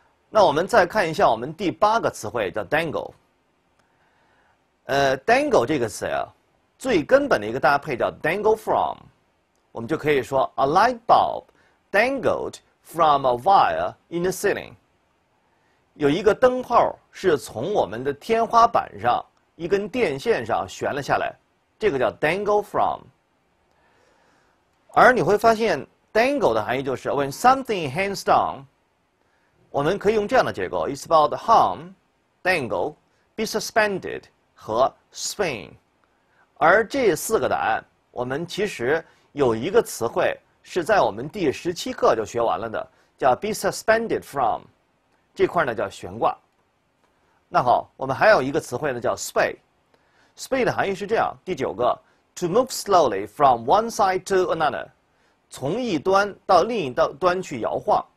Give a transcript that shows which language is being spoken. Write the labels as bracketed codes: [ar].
[zh] 那我们再看一下我们第八个词汇叫 dangle。dangle 这个词啊，最根本的一个搭配叫 dangle from， 我们就可以说 [en] a light bulb dangled from a wire in the ceiling， [zh] 有一个灯泡是从我们的天花板上一根电线上悬了下来，这个叫 dangle from。而你会发现 dangle 的含义就是 [en] when something hangs down， [zh] 我们可以用这样的结构 [en] it's about hung dangle be suspended [zh] 和 swing。而这四个答案我们其实有一个词汇是在我们第十七课就学完了的，叫 be suspended from，这块呢叫悬挂。那好，我们还有一个词汇呢叫 sway。sway 的含义是这样，第九个 [en] to move slowly from one side to another， [zh] 从一端到另一端去摇晃。